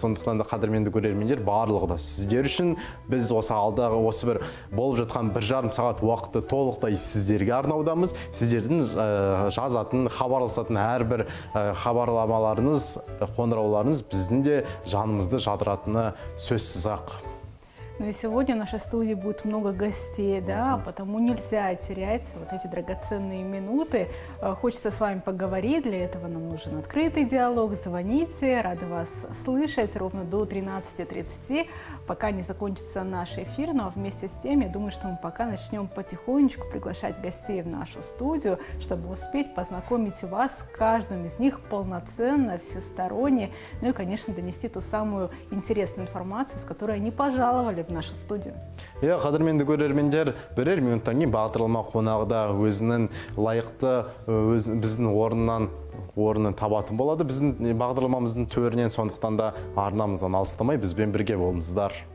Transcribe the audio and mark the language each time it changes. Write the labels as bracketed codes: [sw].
[kk] Сондықтан да қадірменді көрермендер, барлығы да сіздер үшін біз осы алдағы осы бір болып жатқан бір жарым сағат уақытты толықтай сіздерге арнаудамыз. Сіздердің жазатын, хабарласатын әрбір хабарламаларыңыз, қоңырауларыңыз біздің де жанымызды жадыратыны сөзсіз-ақ. [ru] Ну и сегодня в нашей студии будет много гостей, да, потому нельзя терять вот эти драгоценные минуты. Хочется с вами поговорить, для этого нам нужен открытый диалог. Звоните, рада вас слышать ровно до 13:30, пока не закончится наш эфир. Ну а вместе с тем, я думаю, что мы пока начнем потихонечку приглашать гостей в нашу студию, чтобы успеть познакомить вас с каждым из них полноценно, всесторонне, ну и, конечно, донести ту самую интересную информацию, с которой они пожаловали в нашу студию. [kk] Я қадірменді көрермендер, бірер минуттан кейін бағдарлама қонағыда өзінің лайықты біздің орнын табатын болады. Біздің бағдарламамыздың төрінен, сондықтан да арнамыздан алыстамай бізбен бірге болыңыздар.